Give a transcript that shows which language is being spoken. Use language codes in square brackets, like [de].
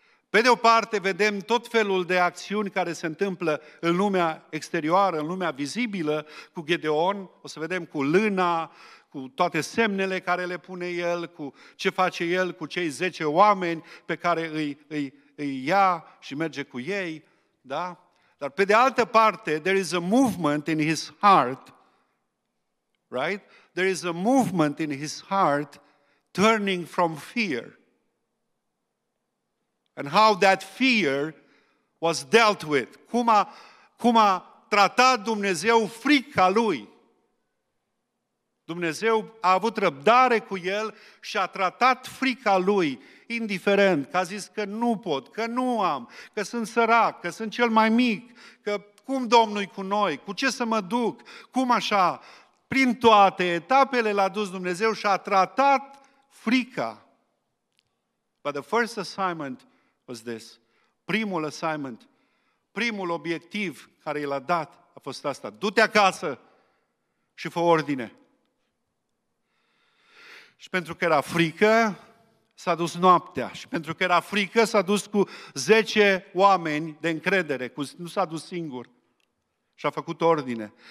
[ro] Pe de o parte vedem tot felul de acțiuni care se întâmplă în lumea exterioară, în lumea vizibilă cu Gedeon, o să vedem cu lâna, cu toate semnele care le pune el, cu ce face el cu cei 10 oameni pe care îi ia și merge cu ei, da? Dar pe de altă parte, [en] there is a movement in his heart, right? There is a movement in his heart turning from fear. And how that fear was dealt with. [ro] Cum a tratat Dumnezeu frica lui. Dumnezeu a avut răbdare cu el și a tratat frica lui, indiferent că a zis că nu pot, că nu am, că sunt sărac, că sunt cel mai mic, că cum Domnul-i cu noi, cu ce să mă duc, cum așa. Prin toate etapele l-a dus Dumnezeu și a tratat frica. [en] But the first assignment was this. [ro] Primul assignment, primul obiectiv care i l-a dat a fost asta. Du-te acasă și fă ordine. Și pentru că era frică, s-a dus noaptea. Și pentru că era frică, s-a dus cu 10 oameni de încredere. Nu s-a dus singur. Și a făcut ordine.